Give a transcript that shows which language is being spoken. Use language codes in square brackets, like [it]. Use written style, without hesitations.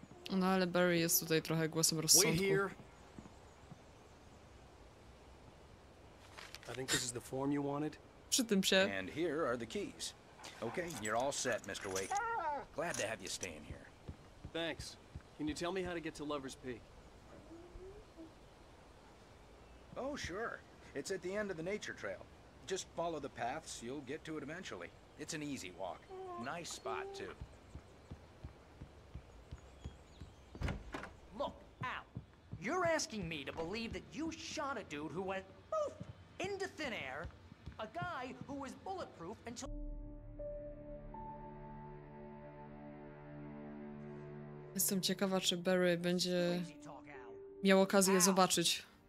[pl] No, ale Barry jest tutaj trochę głosem rozsądku. [en] Wait here. I think this is the form you wanted. [pl] Przy tym się. [en] And here are the keys. Okay, you're all set, Mr. Wake. Glad to have you staying here. Thanks. Can you tell me how to get to Lover's Peak? Oh, sure. It's at the end of the nature trail. Just follow the paths, you'll get to it eventually. It's an easy walk. Nice spot, too. Look, Al, you're asking me to believe that you shot a dude who went poof into thin air, a guy who was bulletproof until... [pl] Jestem ciekawa, czy Barry będzie miał okazję zobaczyć.